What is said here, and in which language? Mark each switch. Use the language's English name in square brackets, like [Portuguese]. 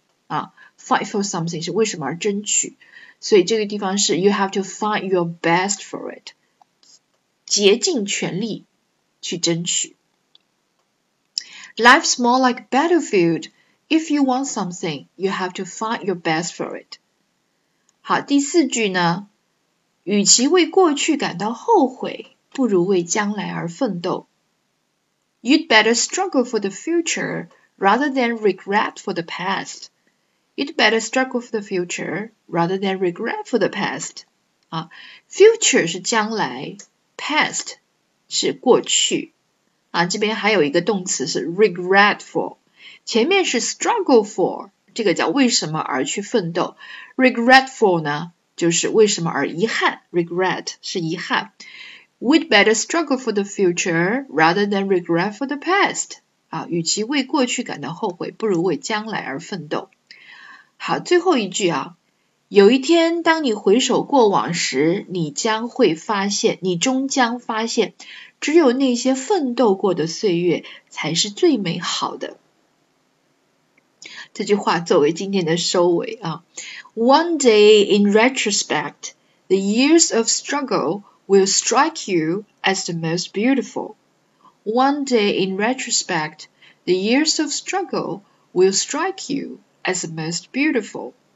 [Chinese] 啊 , [English] fight for something [Chinese] 是为什么而争取。所以这个地方是 [English] you have to fight your best for it. [Chinese] 竭尽全力去争取。 [English] Life's more like a battlefield. If you want something, you have to fight your best for it. [Chinese] 好，第四句呢与其为过去感到后悔，不如为将来而奋斗。 [English] You'd better struggle for the future rather than regret for the past. You'd better struggle for the future rather than regret for the past. [Chinese] 啊 ，future 是将来 ，past 是过去。啊，这边还有一个动词是 regret for， 前面是 struggle for， 这个叫为什么而去奋斗。Regret for 呢？就是为什么而遗憾 ，regret 是遗憾。 [English] We'd better struggle for the future rather than regret for the past. [Chinese] 啊，与其为过去感到后悔，不如为将来而奋斗。好，最后一句啊，有一天当你回首过往时，你将会发现，你终将发现，只有那些奋斗过的岁月才是最美好的。这句话作为今天的收尾啊。 [English] One day in retrospect, the years of struggle will strike you as the most beautiful. One day in retrospect, the years of struggle will strike you as the most beautiful.